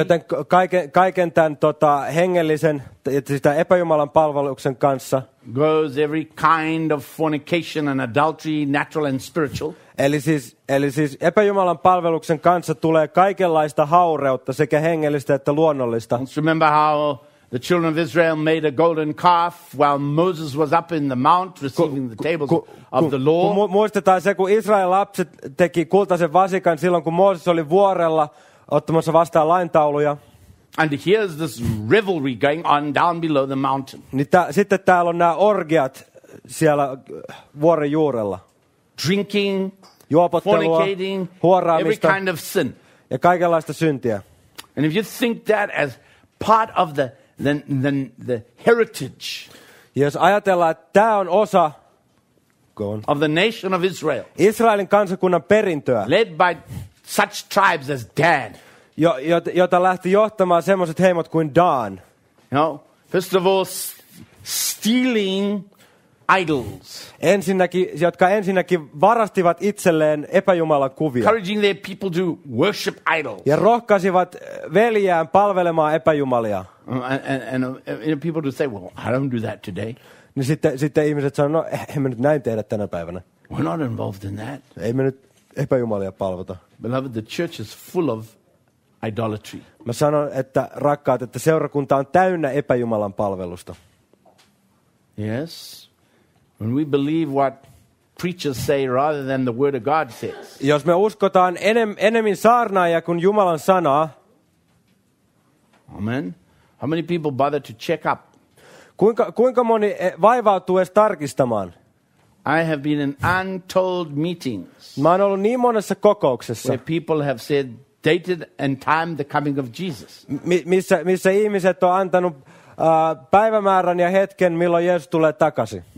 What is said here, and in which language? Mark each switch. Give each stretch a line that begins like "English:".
Finnish: joten kaiken tämän hengellisen, sitä epäjumalan palveluksen kanssa
English: goes every kind of fornication and adultery, natural and spiritual.
Finnish: Eli siis epäjumalan palveluksen kanssa tulee kaikenlaista haureutta sekä hengellistä että luonnollista.
English: Let's remember how the children of Israel made a golden calf while Moses was up in the mount receiving the tables of the law.
Finnish: Muistetaan se, kun Israelin lapset teki kultaisen vasikan silloin, kun Mooses oli vuorella ottamassa vastaan laintauluja.
English: And here's this revelry going on down below the mountain.
Finnish: Sitten täällä on nämä orgiat siellä vuoren juurella.
English: Drinking,
Finnish: juopottelua,
English: fornicating,
Finnish: huoraamista,
English: every kind of sin.
Finnish: Ja kaikenlaista syntiä.
English: And if you think that as part of the heritage.
Finnish: Jos ajatellaan, että tämä on osa
English: of the nation of Israel.
Finnish: Israelin kansakunnan perintöä.
English: Led by such tribes as Dan.
Finnish: Jota lähti johtamaan semmoiset heimot kuin Dan.
English: You know, first of all, stealing idols.
Finnish: Ensinnäkin, jotka ensinnäkin varastivat itselleen epäjumalakuvia.
English: Encouraging their people to worship idols.
Finnish: Ja rohkaisivat veljään palvelemaan epäjumalia.
English: And people would say, well, I don't do that today.
Finnish: Niin sitten ihmiset sanoo, no emme nyt näin tehdä tänä päivänä.
English: We're not involved in that.
Finnish: Emme nyt epäjumalia palvota.
English: Beloved, the church is full of idolatry.
Finnish: Mä sanon, että rakkaat, että seurakunta on täynnä epäjumalan palvelusta.
English: Yes. When we believe what preachers say rather than the word of God says.
Finnish: Jos me uskotaan enemmän saarnaajia kuin Jumalan sanaa.
English: Amen. How many people bother to check up?
Finnish: Kuinka moni vaivautuu edes tarkistamaan?
English: I have been in untold meetings.
Finnish: Mä oon ollut niin monessa kokouksessa.
English: Where people have said dated and time the coming of Jesus.
Finnish: Missä ihmiset on antanut päivämäärän ja hetken, milloin Jeesus tulee takaisin.